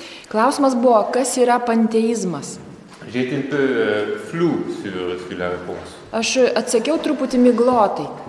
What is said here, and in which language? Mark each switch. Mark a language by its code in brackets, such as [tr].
[lt] Klausimas buvo, kas yra panteizmas? [fr] J'étais un peu flou sur la réponse. [lt] Aš atsakiau truputį miglotai.